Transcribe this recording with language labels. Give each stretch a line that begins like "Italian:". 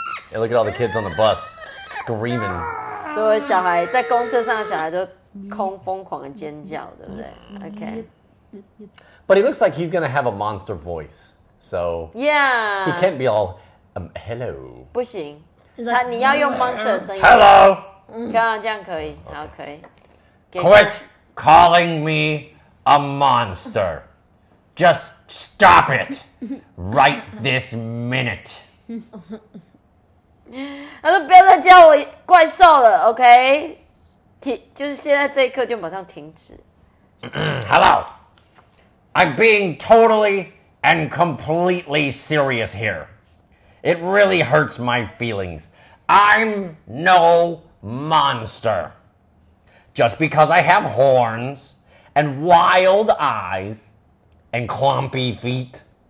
English: Hey, look at all the kids on the bus screaming.
Chinese: 所有小孩在公车上的小孩都空疯狂的尖叫，对不对 ？OK.
English: But he looks like he's gonna have a monster voice. So yeah, he can't be all hello.
Chinese: 不行，他你要用 monster 声音。
English: Hello.
Chinese: 刚刚这样可以，好可以。
English: Quit calling me a monster. Just stop it right this minute.
Chinese: 他说不要再叫我怪兽了 ，OK？ 就是现在这一刻就马上停止。
English: Hello, I'm being totally and completely serious here. It really hurts my feelings. I'm no monster. Just because I have horns and wild eyes and clumpy feet